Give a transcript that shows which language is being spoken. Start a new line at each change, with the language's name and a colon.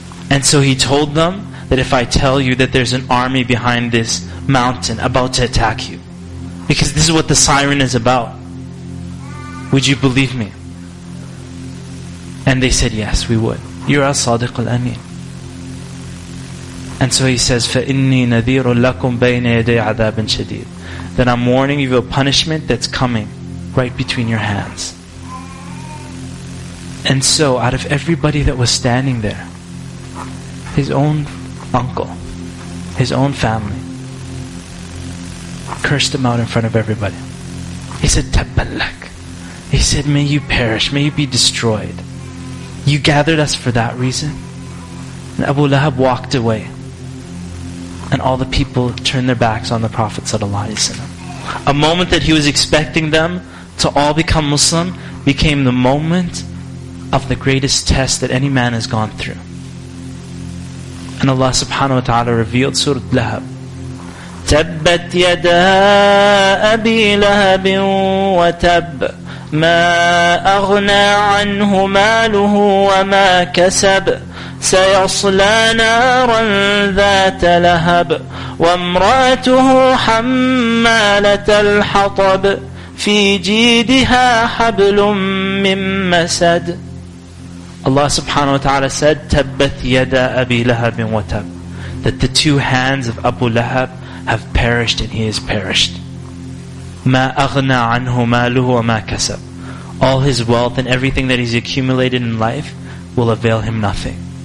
English: And so he told them that if I tell you that there's an army behind this mountain about to attack you, because this is what the siren is about, would you believe me? And they said, "Yes, we would. You're As-Sadiq al-Amin." And so he says,
Arabic: فَإِنِّي نَذِيرٌ لَكُمْ بَيْنَ يَدَيْ عَذَابٍ شَدِيدٍ.
English: That I'm warning you of a punishment that's coming right between your hands. And so, out of everybody that was standing there, his own uncle, his own family, cursed him out in front of everybody. He said, تَبَّلَّكَ. He said, "May you perish, may you be destroyed. You gathered us for that reason." And Abu Lahab walked away. And all the people turned their backs on the Prophet ﷺ. A moment that he was expecting them to all become Muslim became the moment of the greatest test that any man has gone through. And Allah subhanahu wa ta'ala revealed Surah Lahab.
Arabic: تَبَّتْ يَدَا أَبِي لَهَبٍ وَتَبَّ ما أغنى عنه ماله وما كسب سيصلى نارا ذات لهب وامرأته حمالة الحطب في جيدها حبل من مسد.
English: Allah subhanahu wa ta'ala said,
Arabic: تبت يدا أبي لهب وتب.
English: That the two hands of Abu Lahab have perished and he has perished.
Arabic: ما أغنى عنه ماله وما كسب.
English: All his wealth and everything that he's accumulated in life will avail him nothing.